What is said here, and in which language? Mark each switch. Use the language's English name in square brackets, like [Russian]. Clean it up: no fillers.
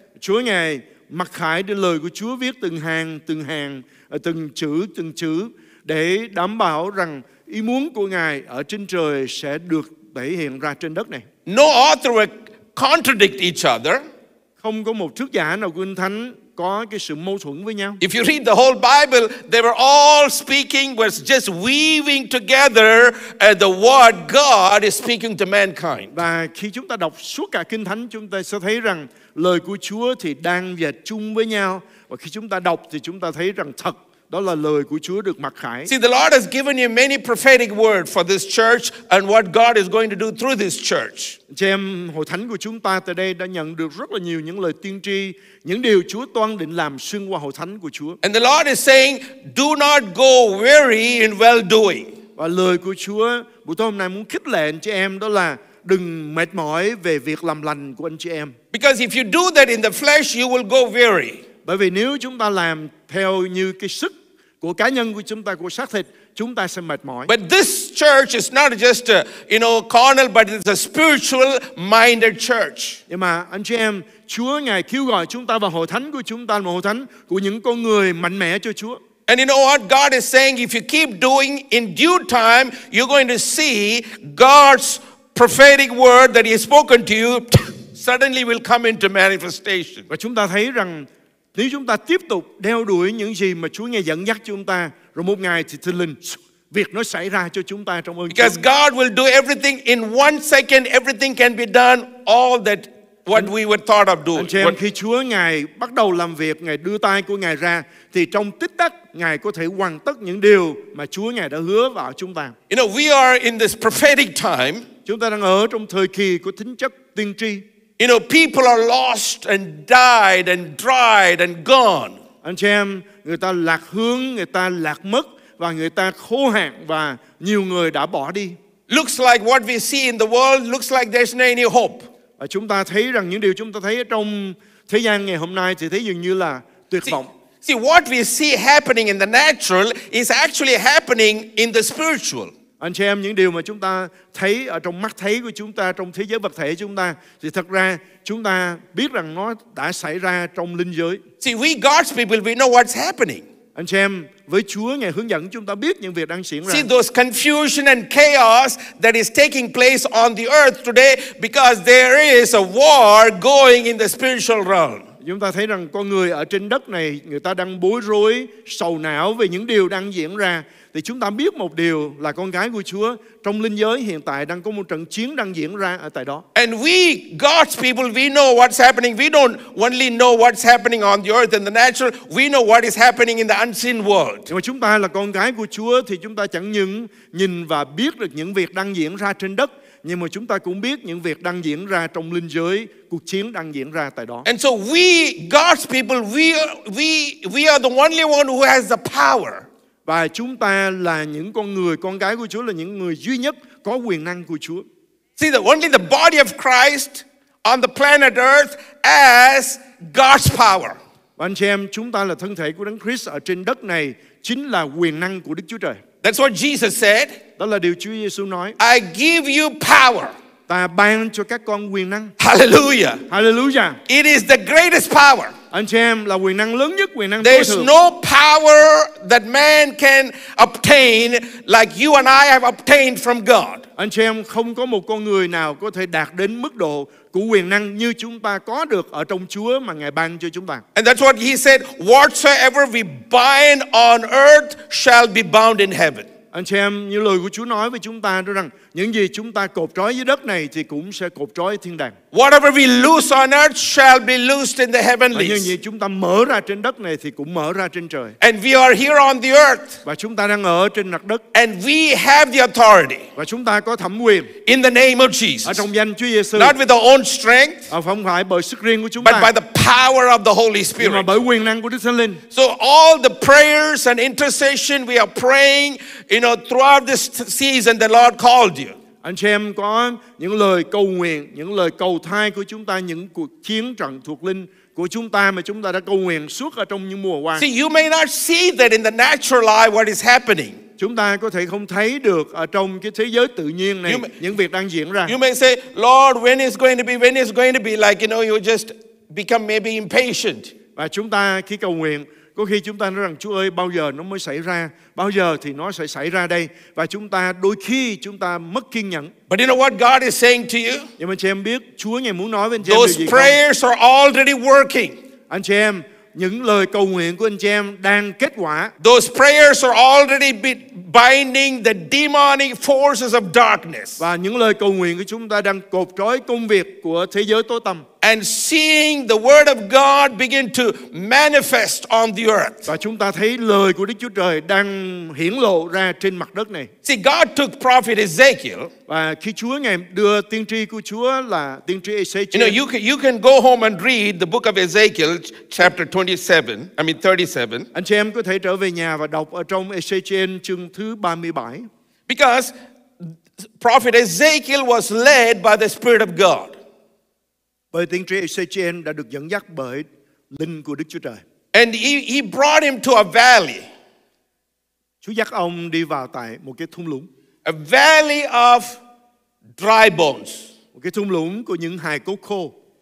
[Vietnamese] Chúa ngài mặc khải để lời của Chúa viết từng hàng, từng chữ để đảm bảo rằng ý muốn của ngài ở trên trời sẽ được thể hiện ra trên đất này. [English] No author will contradict each other. [Vietnamese] Không có một thước giả nào của Kinh Thánh có cái sự mâu thuẫn với nhau. [English] If you read the whole Bible, they were all speaking, was just weaving together the word God is speaking to mankind. [Vietnamese] Và khi chúng ta đọc suốt cả Kinh Thánh, chúng ta sẽ thấy rằng lời của Chúa thì đang dệt chung với nhau. Và khi chúng ta đọc thì chúng ta thấy rằng thật, đó là lời của Chúa được mặc khải. [English] See, the Lord has given you many prophetic words for this church and what God is going to do through this church. [Vietnamese] Chị em, hội thánh của chúng ta tại đây đã nhận được rất là nhiều những lời tiên tri, những điều Chúa toan định làm xuyên qua hội thánh của Chúa. [English] And the Lord is saying, do not go weary in well-doing. [Vietnamese] Và lời của Chúa buổi tối hôm nay muốn khích lệ anh chị em, đó là đừng mệt mỏi về việc làm lành của anh chị em. [English] Because if you do that in the flesh, you will go weary. [Vietnamese] Bởi vì nếu chúng ta làm theo như cái sức của của cá nhân của chúng ta, của xác thịt, chúng ta sẽ mệt mỏi. [English] But this church is not just a, you know, carnal, but it's a spiritual minded church. [Vietnamese] Nhưng mà anh chị em, Chúa ngài kêu gọi chúng ta vào hội thánh của chúng ta, một hội thánh của những con người mạnh mẽ cho Chúa. [English] And you know what God is saying, if you keep doing in due time, you're going to see God's prophetic word that he has spoken to you suddenly will come into manifestation. [Vietnamese] Và chúng ta thấy rằng nếu chúng ta tiếp tục đeo đuổi những gì mà Chúa ngài dẫn dắt chúng ta, rồi một ngày thì thiên linh việc nó xảy ra cho chúng ta trong ơn. [English] Because God will do everything in one second, everything can be done, all that what we were thought of doing. [Vietnamese] Anh em, khi Chúa ngài bắt đầu làm việc, ngài đưa tay của ngài ra, thì trong tích tắc ngài có thể hoàn tất những điều mà Chúa ngài đã hứa vào chúng ta. [English] You know, we are in this prophetic time. [Vietnamese] Chúng ta đang ở trong thời kỳ của tính chất tiên tri. [English] You know, people are lost and died and dried and gone. [Vietnamese] Anh chị em, người ta lạc hướng, người ta lạc mất và người ta khô hạn và nhiều người đã bỏ đi. [English] Looks like what we see in the world looks like there's no any hope. [Vietnamese] Và chúng ta thấy rằng những điều chúng ta thấy trong thế gian ngày hôm nay thì thấy dường như là tuyệt vọng. [English] See, what we see happening in the natural is actually happening in the spiritual. [Vietnamese] Anh chị em, những điều mà chúng ta thấy ở trong mắt thấy của chúng ta, trong thế giới vật thể chúng ta, thì thật ra chúng ta biết rằng nó đã xảy ra trong linh giới. [English] See, we God's people, we know what's happening. [Vietnamese] Anh chị em, với Chúa ngài hướng dẫn chúng ta biết những việc đang diễn ra. [English] See those confusion and chaos that is taking place on the earth today because there is a war going in the spiritual realm. [Vietnamese] Chúng ta thấy rằng con người ở trên đất này, người ta đang bối rối, sầu não về những điều đang diễn ra. Thì chúng ta biết một điều là con gái của Chúa trong linh giới hiện tại đang có một trận chiến đang diễn ra ở tại đó. [English] And we, God's people, we know what's happening. We don't only know what's happening on the earth and the natural. We know what is happening in the unseen world. [Vietnamese] Nhưng mà chúng ta là con gái của Chúa thì chúng ta chẳng những nhìn và biết được những việc đang diễn ra trên đất, nhưng mà chúng ta cũng biết những việc đang diễn ra trong linh giới, cuộc chiến đang diễn ra tại đó. [English] And so we, God's people, we are the only one who has the power. [Vietnamese] Và chúng ta là những con người, con gái của Chúa là những người duy nhất có quyền năng của Chúa. [English] See, the only the body of Christ on the planet Earth as God's power. [Vietnamese] Và anh chị em, chúng ta là thân thể của Đấng Christ ở trên đất này chính là quyền năng của Đức Chúa Trời. [English] That's what Jesus said. [Vietnamese] Đó là điều Chúa Giêsu nói. [English] I give you power. [Vietnamese] Ta ban cho các con quyền năng. Hallelujah. Hallelujah. [English] It is the greatest power. [Vietnamese] Anh chị em, là quyền năng lớn nhất, quyền năng [English] There's no power that man can obtain like you and I have obtained from God. [Vietnamese] Anh chị em, không có một con người nào có thể đạt đến mức độ của quyền năng như chúng ta có được ở trong Chúa mà ngài ban cho chúng ta. [English] And that's what he said, whatsoever we bind on earth shall be bound in heaven. [Vietnamese] Anh chị em, như lời của Chúa nói với chúng ta đó rằng những gì chúng ta cột trói dưới đất này thì cũng sẽ cột trói thiên đàng. [English] Whatever we loose on earth shall be loosed in the heavenlies. [Vietnamese] Những gì chúng ta mở ra trên đất này thì cũng mở ra trên trời. [English] And we are here on the earth. [Vietnamese] Và chúng ta đang ở trên mặt đất. [English] And we have the authority. [Vietnamese] Và chúng ta có thẩm quyền. [English] In the name of Jesus. [Vietnamese] Ở trong danh Chúa Giêsu. [English] Not with our own strength. [Vietnamese] Không phải bởi sức riêng của chúng [English] but [Vietnamese] ta. [English] But by the power of the Holy Spirit. [Vietnamese] Nhưng mà bởi quyền năng của Đức Thánh Linh. [English] So all the prayers and intercession we are praying, you know, throughout this season the Lord called you. [Vietnamese] Anh chị em, có những lời cầu nguyện, những lời cầu thai của chúng ta, những cuộc chiến trận thuộc linh của chúng ta mà chúng ta đã cầu nguyện suốt ở trong những mùa qua. [English] See, you may not see that in the natural life what is happening. [Vietnamese] Chúng ta có thể không thấy được ở trong cái thế giới tự nhiên này những việc đang diễn ra. [English] You may say, Lord, when is going to be, when is going to be, like, you know, you just become maybe impatient. [Vietnamese] Và chúng ta khi cầu nguyện, có khi chúng ta nói rằng, Chúa ơi, bao giờ nó mới xảy ra? Bao giờ thì nó sẽ xảy ra đây? Và chúng ta, đôi khi, chúng ta mất kiên nhẫn. [English] But you know what God is saying to you? [Vietnamese] Nhưng mà chị em biết, Chúa ngài muốn nói với anh chị [English] Those [Vietnamese] em điều gì [English] Those prayers [Vietnamese] không? [English] Are already working. [Vietnamese] Anh chị em, những lời cầu nguyện của anh chị em đang kết quả. [English] Those prayers are already binding the demonic forces of darkness. [Vietnamese] Và những lời cầu nguyện của chúng ta đang cột trói công việc của thế giới tối tăm. [English] And seeing the word of God begin to manifest on the earth. [Vietnamese] Và chúng ta thấy lời của Đức Chúa Trời đang hiển lộ ra trên mặt đất này. [English] See, God took prophet Ezekiel. [Vietnamese] Và khi Chúa ngài đưa tiên tri của Chúa là tiên tri Ezekiel. [English] You know, you can go home and read the book of Ezekiel chapter 27. I mean 37. [Vietnamese] Anh chị em có thể trở về nhà và đọc ở trong Ezekiel chương thứ 37. [English] Because prophet Ezekiel was led by the Spirit of God. [Vietnamese] Bởi tiên tri Ezekiel đã được dẫn dắt bởi linh của Đức Chúa Trời. [English] And he brought him to a valley. [Vietnamese] Chúa dắt ông đi vào tại một cái thung lũng. [English] A valley of dry bones. [Vietnamese] Một cái thung lũng của những hài cốt khô.